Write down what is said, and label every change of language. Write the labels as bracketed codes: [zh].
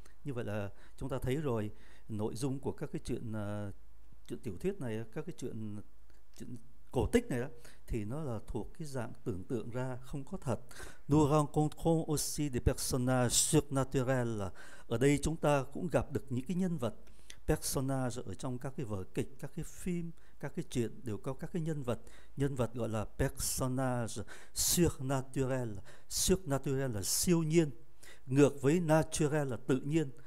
[vi] Như vậy là chúng ta thấy rồi, nội dung của các cái chuyện chuyện tiểu thuyết này, các cái chuyện cổ tích này đó, thì nó là thuộc cái dạng tưởng tượng ra, không có thật. [fr] Nous rencontrons aussi des personnages surnaturels. [vi] Ở đây chúng ta cũng gặp được những cái nhân vật, personnage ở trong các cái vở kịch, các cái phim, các cái chuyện đều có các cái nhân vật. Nhân vật gọi là personnage surnaturel. Surnaturel là siêu nhiên, ngược với naturel là tự nhiên.